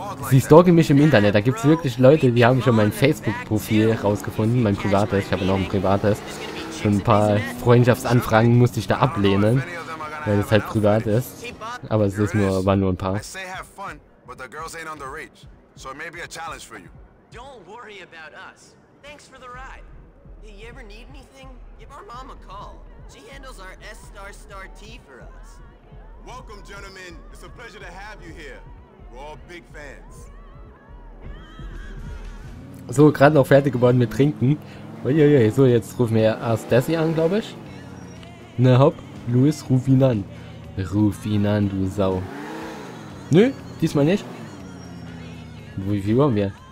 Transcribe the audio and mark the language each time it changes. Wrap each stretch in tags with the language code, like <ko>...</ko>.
<de>Sie stalken mich im Internet. Da gibt es wirklich Leute, die haben schon mein Facebook-Profil rausgefunden, mein privates. Ich habe noch ein privates. Schon ein paar Freundschaftsanfragen musste ich da ablehnen, weil es halt privat ist. Aber es ist nur, waren nur ein paar.</de> <en>But the girls ain't on the reach, so it may be a challenge for you. Don't worry about us. Thanks for the ride. Hey, you ever need anything? Give our mom a call. She handles our S*T for us. Welcome, gentlemen. It's a pleasure to have you here. We're all big fans.</en> <de>So, gerade noch fertig geworden mit Trinken. Uiuiui, so, jetzt rufen wir erst Desi an, glaube ich. Na hopp, Louis, ruf ihn an. Ruf ihn an, du Sau. Nö. Diesmal nicht. Wie wollen wir?</de>